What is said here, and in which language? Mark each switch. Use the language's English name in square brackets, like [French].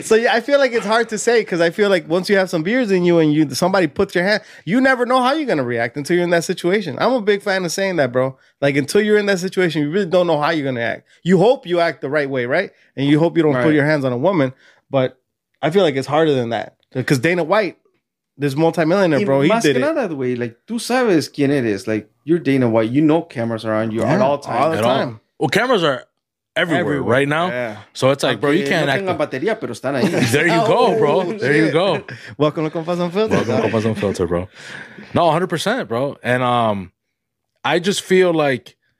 [English] So, yeah, I feel like it's hard to say because I feel like once you have some beers in you and somebody puts your hand, you never know how you're going to react until you're in that situation. I'm a big fan of saying that, bro. Like, until you're in that situation, you really don't know how you're going to act. You hope you act the right way, right? And you hope you don't put your hands on a woman. But I feel like it's harder than that. Because Dana White, this multimillionaire, bro, he did it. [Spanish] Más que nada, güey, like, tú sabes quién eres. [English] Like, you're Dana White. You know cameras are on you at all times. All the time. Well, cameras are everywhere right now. Yeah. So it's like, bro, you can't act. [Spanish] No tengo batería, pero están ahí. [English] There you go, bro. There you go. Welcome to Compas Unfiltered. Welcome to Compas Unfiltered, bro. No, 100%, bro. And I just feel like,